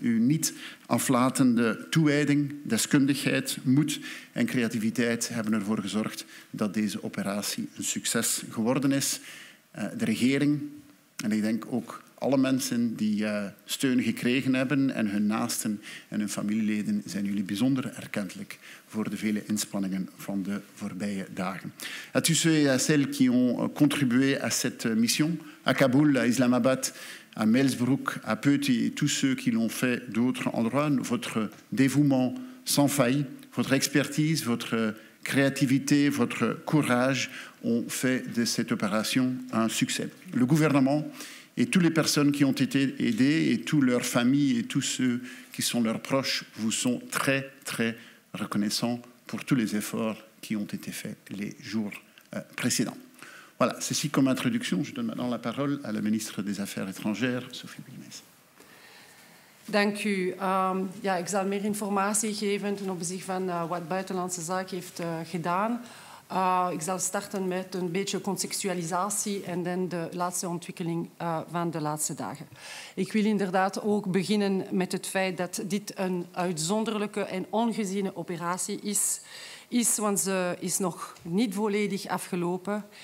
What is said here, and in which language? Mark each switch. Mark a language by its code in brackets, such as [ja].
[nl] Uw niet aflatende toewijding, deskundigheid, moed en creativiteit hebben ervoor gezorgd dat deze operatie een succes geworden is. De regering en ik denk ook alle mensen die steun gekregen hebben en hun naasten en hun familieleden zijn jullie bijzonder erkentelijk voor de vele inspanningen van de voorbije dagen. [fr] À tous ceux et à celles qui ont contribué à cette mission, à Kaboul, à Islamabad, à Melsbroek, à Peuty et tous ceux qui l'ont fait d'autres endroits, votre dévouement sans faille, votre expertise, votre créativité, votre courage ont fait de cette opération un succès. Le gouvernement et toutes les personnes qui ont été aidées, et toutes leurs familles et tous ceux qui sont leurs proches, vous sont très, très reconnaissants pour tous les efforts qui ont été faits les jours précédents. Voilà, ceci comme introduction. Je donne maintenant la parole à la ministre des Affaires étrangères, Sophie Bilmes. [nl] Dank u. Ja, ik zal meer informatie geven ten opzichte van wat Buitenlandse Zaken heeft gedaan. Ik zal starten met een beetje contextualisatie en dan de laatste ontwikkeling van de laatste dagen. Ik wil inderdaad ook beginnen met het feit dat dit een uitzonderlijke en ongeziene operatie is, want ze is nog niet volledig afgelopen.